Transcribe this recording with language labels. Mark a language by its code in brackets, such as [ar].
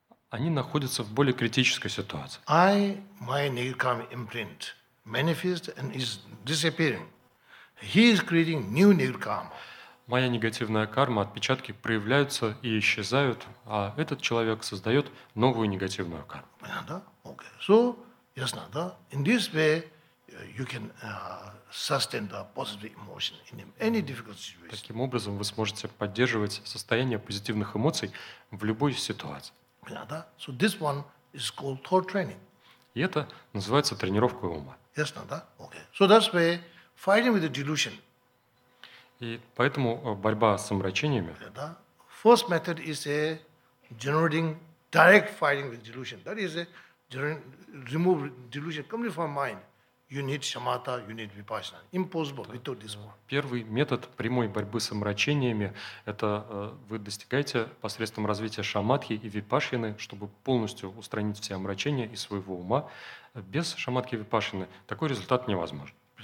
[ru] Они находятся в более критической ситуации. [en] I, my negative karma imprint, manifest and is disappearing. He is creating new negative karma. [ru] Моя негативная карма, отпечатки проявляются и исчезают, а этот человек создает новую негативную карму. Понятно, да? Okay. So, ясно, да? [en] In this way, you can sustain the positive emotion in any difficult situation. [ru] Таким образом, вы сможете поддерживать состояние позитивных эмоций в любой ситуации. [en] Понятно, да? So, this one is called thought training. [ru] И это называется тренировка ума. [en] Ясно, да? Okay. So, that's why fighting with the delusion. [ru] И поэтому борьба с омрачениями. [en] First method is a generating direct fighting with delusion. That is a remove delusion completely from mind. You need shamatha, you need vipassana. Impossible without this one. [ru] Первый метод прямой борьбы с омрачениями это вы достигаете посредством развития шамадхи и випашины, чтобы полностью устранить все омрачения из своего ума. Без шамадхи и випашины такой результат невозможен.